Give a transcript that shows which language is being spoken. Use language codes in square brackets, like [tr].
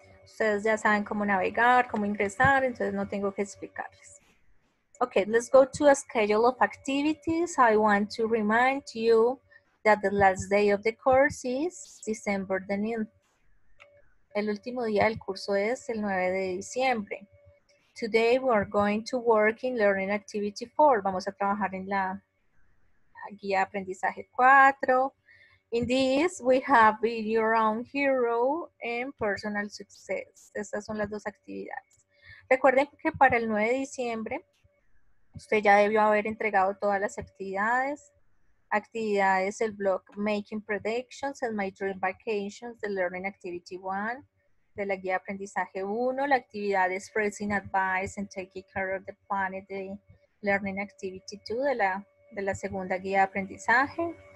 [es] Ustedes ya saben cómo navegar, cómo ingresar, entonces no tengo que explicarles. [en] Okay, let's go to a schedule of activities. I want to remind you that the last day of the course is December the 9th. [es] El último día del curso es el 9 de diciembre. [en] Today we are going to work in learning activity 4. [es] Vamos a trabajar en la guía aprendizaje 4. [en] In this, we have Be Your Own Hero and Personal Success. [es] Estas son las dos actividades. Recuerden que para el 9 de diciembre, usted ya debió haber entregado todas las actividades. Actividades, el blog Making Predictions and My Dream Vacations, the Learning Activity 1, de la guía aprendizaje 1, la actividad Expressing Advice and Taking Care of the Planet, de Learning Activity 2, de la segunda guía de aprendizaje,